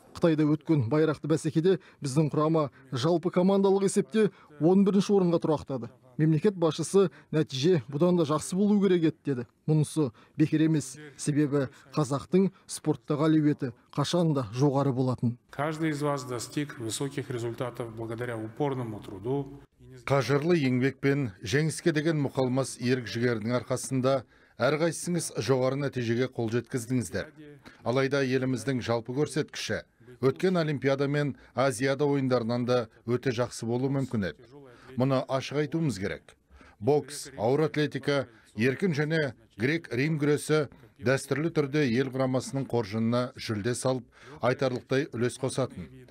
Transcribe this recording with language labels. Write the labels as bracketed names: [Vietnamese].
[Kazakh] Қытайда өткен байрақты бәсекеде біздің құрама жалпы командалық есепте 11-ші орынға тұрақтады. Мемлекет басшысы нәтиже бұдан да жақсы болу керек еді деді. Мұнысы бекер емес, себебі қазақтың спорттағы әлеуеті қашан да жоғары болатын. [Russian] Каждый из вас достиг высоких результатов благодаря упорному труду. [Kazakh] Қажырлы еңбек пен жеңіске деген мұқалмас ерік жігердің арқасында әрқайсыңыз жоғары нәтижеге қол жеткіздіңіздер. Алайда еліміздің жалпы көрсеткіші өткен олимпиада мен Азияда ойындарынан да өте жақсы болу мүмкін еді. Мұны ашық айтуымыз керек. Бокс, ауыр атлетика, еркін және грек-рим күресі дәстүрлі түрде ел құрамасының қоржынына жүлде салып, айтарлықтай үлес қосатын.